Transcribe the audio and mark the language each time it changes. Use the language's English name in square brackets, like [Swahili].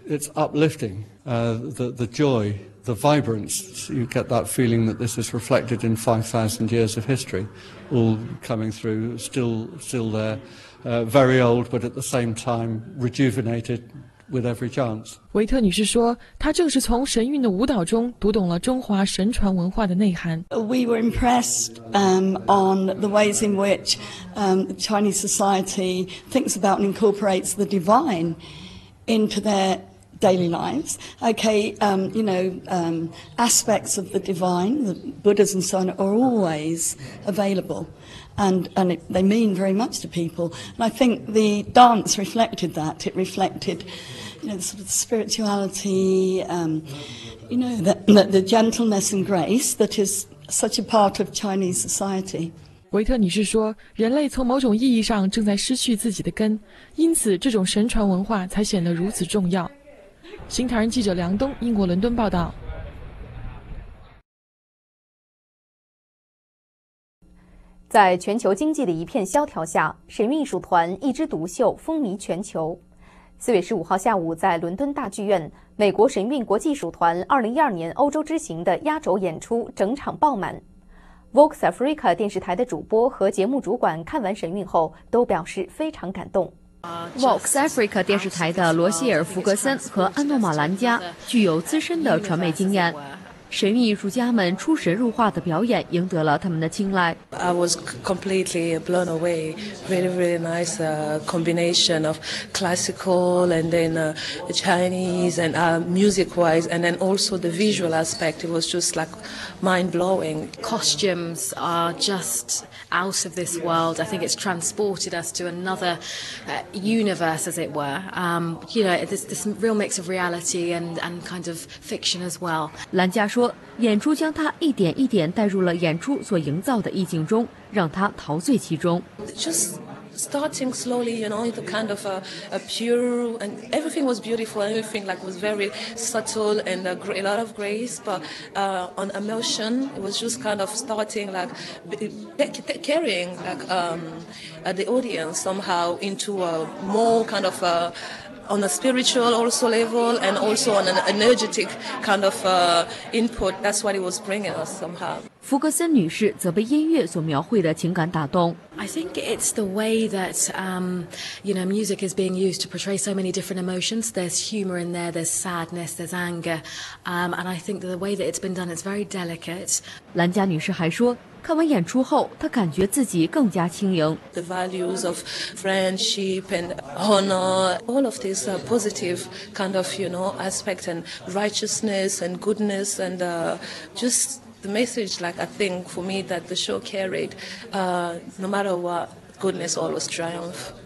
[English] It's uplifting, the joy. The vibrance, you get that feeling that this is reflected in 5,000 years of history, all coming through, still there, very old, but at the same time rejuvenated with every chance. [Chinese] 维特女士说，她正是从神韵的舞蹈中读懂了中华神传文化的内涵。 [English] We were impressed on the ways in which Chinese society thinks about and incorporates the divine into their daily lives, aspects of the divine, the Buddhas and so on, are always available, and they mean very much to people. And I think the dance reflected that. It reflected, you know, the sort of spirituality, the gentleness and grace that is such a part of Chinese society. [Chinese] 维特女士说，人类从某种意义上正在失去自己的根，因此这种神传文化才显得如此重要。新唐人记者梁东，英国伦敦报道。在全球经济的一片萧条下，神韵艺术团一枝独秀风靡全球。 4月15号下午，在伦敦大剧院，美国神韵国际艺术团2012年欧洲之行的压轴演出整场爆满。 Vox Africa 电视台的主播和节目主管看完神韵后，都表示非常感动。 Vox Africa 电视台的罗希尔·弗格森和安诺·马兰加具有资深的传媒经验，神韵艺术家们出神入化的表演赢得了他们的青睐。 [English] I was completely blown away. Really, really nice combination of classical and then Chinese and music-wise, and then also the visual aspect. It was just like mind-blowing. Costumes are just. Out of this world. I think it's transported us to another universe, as it were. There's this real mix of reality and kind of fiction as well. [Chinese] 兰加说，演出将他一点一点带入了演出所营造的意境中，让他陶醉其中。 [English] Just starting slowly, you know, the kind of a pure and everything was beautiful. Everything like was very subtle and a lot of grace, but on emotion, it was just kind of starting carrying the audience somehow into a more kind of on a spiritual also level and also on an energetic kind of input. That's what it was bringing us somehow. [Chinese] 福格森女士则被音乐所描绘的情感打动。 [English] I think it's the way that, you know, music is being used to portray so many different emotions. There's humor in there, there's sadness, there's anger, and I think that the way that it's been done, it's very delicate. [Chinese] 兰加女士还说，看完演出后，她感觉自己更加轻盈。 [English] The values of friendship and honor, all of these positive kind of, you know, aspect and righteousness and goodness and just. The message, like I think, for me, that the show carried, no matter what, goodness always triumphs.